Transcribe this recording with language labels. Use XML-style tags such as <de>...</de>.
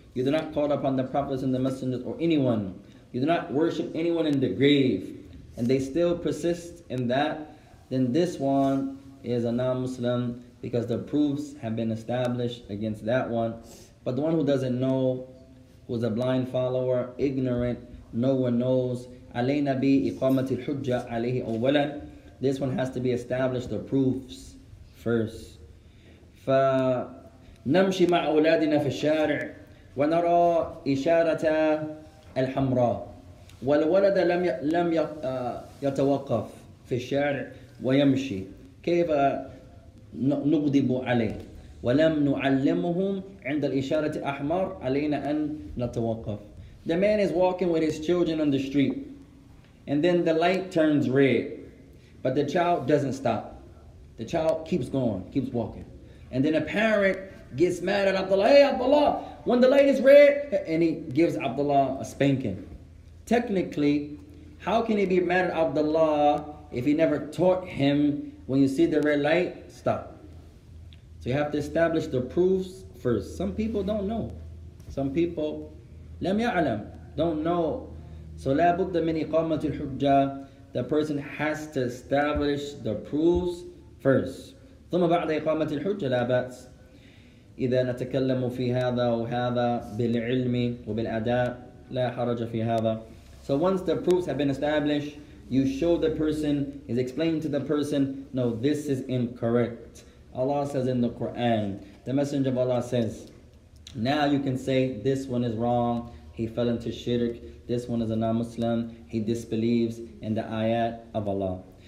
<en>You do not call upon the prophets and the messengers or anyone. You do not worship anyone in the grave. And they still persist in that. Then this one is a non-Muslim because the proofs have been established against that one. But the one who doesn't know, who is a blind follower, ignorant, no one knows.</en> <ar>علينا بإقامة الحجة عليه أولا.</ar> <en>This one has to be established, the proofs, first.</en> <ar>فنمشي مع أولادنا في الشارع ونرى إشارة الحمراء والولد لم يتوقف في الشارع ويمشي كيف نغضب عليه ولم نعلمهم عند الإشارة أحمر علينا أن نتوقف.</ar> <en>The man is walking with his children on the street, and then the light turns red, but the child doesn't stop. The child keeps going, keeps walking. And then a parent gets mad at Abdullah, hey Abdullah, when the light is red, and he gives Abdullah a spanking. Technically, how can he be mad at Abdullah if he never taught him, when you see the red light, stop? So you have to establish the proofs first. Some people don't know. Some people,</en> <ar>لم يعلم,</ar> <en>don't know.</en> <ar>So لا بد من إقامة الحجة.</ar> <en>The person has to establish the proofs first.</en> <ar>ثم بعد إقامة الحجة لا بأس. إذا نتكلم في هذا أو هذا بالعلم وبالأداء لا حرج في هذا.</ar> <en>So once the proofs have been established, you show the person, is explained to the person, no, this is incorrect. Allah says in the Quran, the Messenger of Allah says, now you can say, this one is wrong, he fell into shirk, this one is a non-Muslim, he disbelieves in the ayat of Allah.</en>